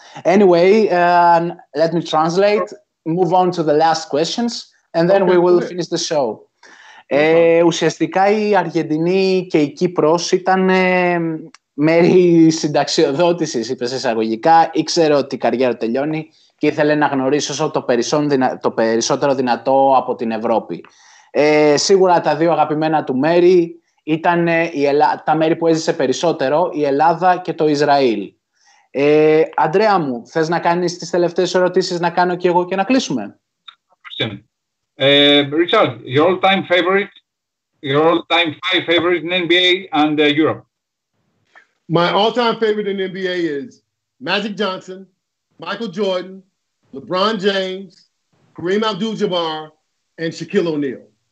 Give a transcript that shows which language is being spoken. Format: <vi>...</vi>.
<en>Anyway, let me translate, move on to the last questions, and then we will finish the show.</en> <el>Ουσιαστικά η Αργεντινή και η Κύπρος ήταν μέρη συνταξιοδότησης, είπε εισαγωγικά. Ήξερε ότι η καριέρα τελειώνει και ήθελε να γνωρίσει όσο το περισσότερο δυνατό από την Ευρώπη. Σίγουρα τα δύο αγαπημένα του μέρη ήταν τα μέρη που έζησε περισσότερο, η Ελλάδα και το Ισραήλ. Αντρέα μου, θες να κάνεις τις τελευταίες ερωτήσεις να κάνω και εγώ και να κλείσουμε?</el> <en>Richard, your all-time favorite, your all-time five favorite in NBA and Europe? My all-time favorite in NBA is Magic Johnson, Michael Jordan, LeBron James, Kareem Abdul-Jabbar, and Shaquille O'Neal.</en>